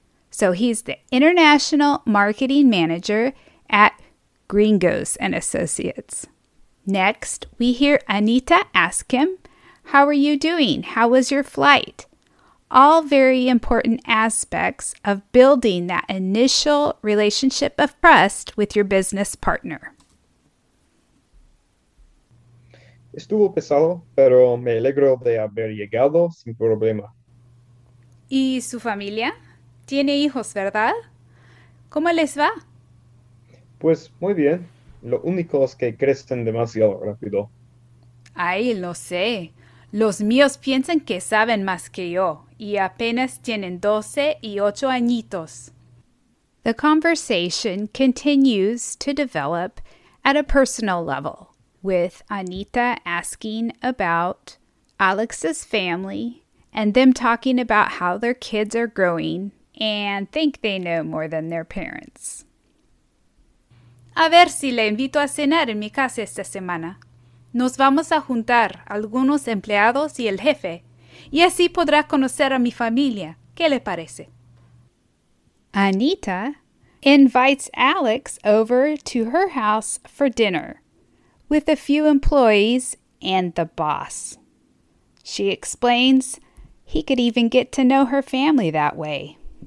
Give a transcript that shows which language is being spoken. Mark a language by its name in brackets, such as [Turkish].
[English] So he's the International Marketing Manager at Gringos and Associates. Next, we hear Anita ask him, how are you doing? How was your flight? All very important aspects of building that initial relationship of trust with your business partner. [Spanish] Estuvo pesado, pero me alegro de haber llegado sin problema. ¿Y su familia? ¿Tiene hijos, verdad? ¿Cómo les va? Pues muy bien. Lo único es que crecen demasiado rápido. Ay, lo sé. Los míos piensan que saben más que yo y apenas tienen 12 y 8 añitos. [English] The conversation continues to develop at a personal level, with Anita asking about Alex's family and them talking about how their kids are growing and think they know more than their parents. [Spanish] A ver si le invito a cenar en mi casa esta semana. Nos vamos a juntar algunos empleados y el jefe, y así podrá conocer a mi familia. ¿Qué le parece? [English] Anita invites Alex over to her house for dinner with a few employees and the boss. She explains he could even get to know her family that way.